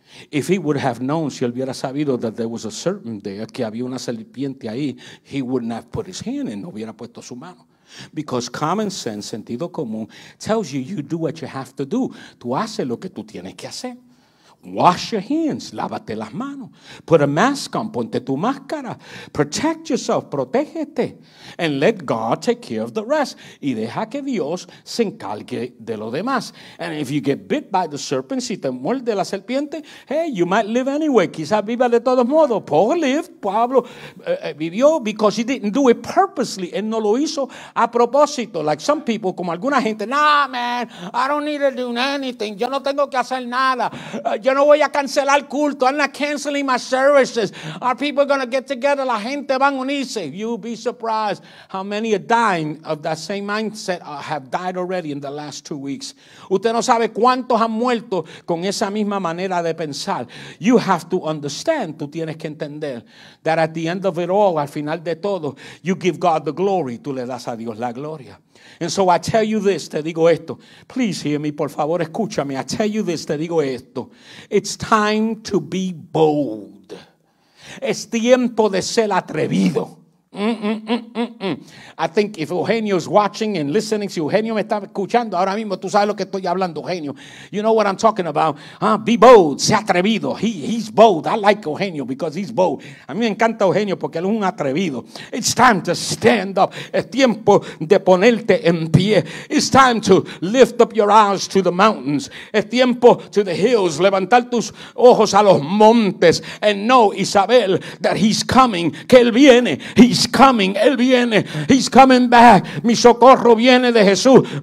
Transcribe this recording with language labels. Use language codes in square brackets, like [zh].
[en] If he would have known, [es] si él hubiera sabido [en] that there was a serpent there, [es] que había una serpiente ahí, [en] he wouldn't have put his hand in, [es] no hubiera puesto su mano. [en] Because common sense, [es] sentido común, [en] tells you you do what you have to do. [es] Tú haces lo que tú tienes que hacer. [en] Wash your hands, [es] lávate las manos. [en] Put a mask on, [es] ponte tu máscara. [en] Protect yourself, [es] protégete. [en] And let God take care of the rest. [es] Y deja que Dios se encargue de lo demás. [en] And if you get bit by the serpent, [es] si te muerde la serpiente, [en] hey, you might live anyway. [es] Quizás viva de todos modos. Pablo vivió [en] because he didn't do it purposely. [es] Él no lo hizo a propósito. [en] Like some people, [es] como alguna gente, [en] nah, man, I don't need to do anything. [es] Yo no tengo que hacer nada. Yo no voy a cancelar culto. [en] I'm not canceling my services. Our people are going to get together. [es] La gente van a unirse. [en] You'll be surprised how many are dying of that same mindset have died already in the last 2 weeks. [es] Usted no sabe cuántos han muerto con esa misma manera de pensar. [en] You have to understand. [es] Tú tienes que entender [en] that at the end of it all, [es] al final de todo, [en] you give God the glory. [es] Tú le das a Dios la gloria. [en] And so I tell you this, [es] te digo esto. [en] Please hear me, [es] por favor, escúchame. [en] I tell you this, [es] te digo esto. [en] It's time to be bold. [es] Es tiempo de ser atrevido. [en] I think if Eugenio is watching and listening, [es] si Eugenio me está escuchando ahora mismo, tú sabes lo que estoy hablando, Eugenio. [en] You know what I'm talking about. Be bold, [es] sea atrevido. [en] He's bold. I like Eugenio because he's bold. [es] A mí me encanta Eugenio porque él es un atrevido. [en] It's time to stand up. [es] Es tiempo de ponerte en pie. [en] It's time to lift up your eyes to the mountains. [es] Es tiempo [en] to the hills. [es] Levantar tus ojos a los montes. [en] And know, Isabel, that he's coming. [es] Que él viene. [en] He's coming, [es] él viene, [en] he's coming back. [es] Mi socorro viene de Jesús.